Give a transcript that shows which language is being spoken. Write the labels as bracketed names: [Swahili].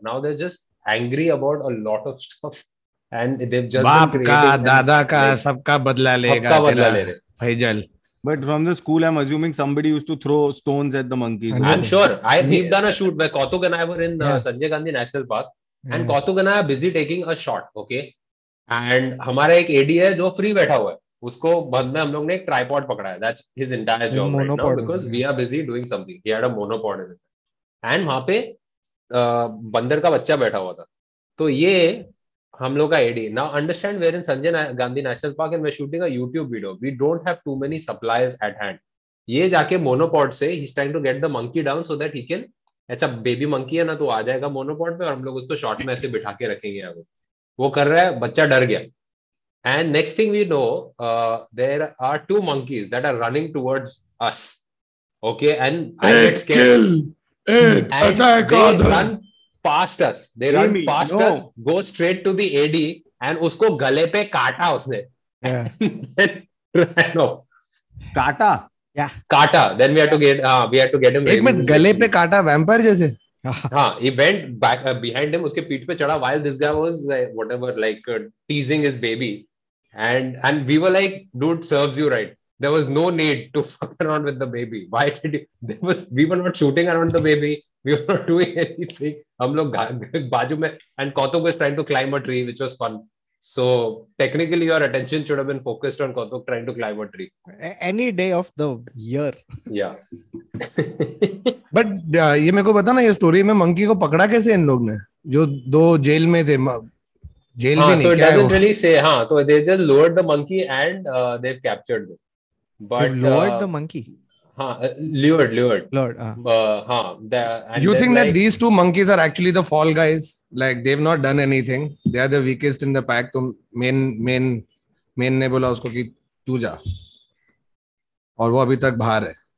[English] Now they're just angry about a lot of stuff, and they've just [Hindi] baap ka dada ka sabka badla lega. Sabka badla le re. Faizal. [English] But from the school, I'm assuming somebody used to throw stones at the monkeys. I'm sure. We've done a shoot where Kautuk and I were in Sanjay Gandhi National Park. And Kautuk and I are busy taking a shot, okay? [Hindi] And हमारा एक AD है जो free बैठा हुआ है, उसको बाद में हम लोग ने एक tripod पकड़ा है. [English] That's his entire job right now because we are busy doing something. He had a monopod in it. And [Hindi] वहाँ पे बंदर का बच्चा बैठा हुआ था. तो ये हम लोग का AD. [English] Now understand we're in Sanjay Gandhi National Park and we're shooting a YouTube video. We don't have too many supplies at hand. [Hindi] ये जाके monopod से [English] he's trying to get the monkey down so that he can. [Hindi] अच्छा baby monkey है ना तो आ जाएगा monopod पे और हम लोग उसको शॉट में ऐसे बिठा के रखेंगे. वो कर रहा है बच्चा डर गया. [English] And next thing we know there are two monkeys that are running towards us. Okay and I get scared and attack on run past us. They run past us go straight to the Eddie and [Hindi] उसको गले पे काटा उसने. काटा [English] Yeah. [Hindi] Kata. [English] Then we had to get him. [Hindi] Gale pe kata vampire jaise. हाँ, [English] he went back behind him, [Hindi] उसके पीठ पे चढ़ा, [English] while this guy was whatever, like teasing his baby, and we were like, dude serves you right. There was no need to fuck around with the baby. Why did you? There was, we were not shooting around the baby. We were not doing anything. [Hindi] हम लोग बाजू में, [English] and Kautuk was trying to climb a tree, which was fun. So technically, your attention should have been focused on Kautuk trying to climb a tree. Any day of the year. Yeah. [Hindi] But ये मेरे को बता ना, ये story में monkey को पकड़ा कैसे इन लोग ने, जो दो jail में थे. Jail में नहीं, [English] so it doesn't really say. [Hindi] हाँ, [English] so they just lowered the monkey and they've captured them. But they lured the monkey. Lured. You think that these two monkeys are actually the fall guys? Like they've not done anything. They are the weakest in the pack. [Hindi] So main ne bola usko ki tu ja. Aur wo abhi tak bahar hai.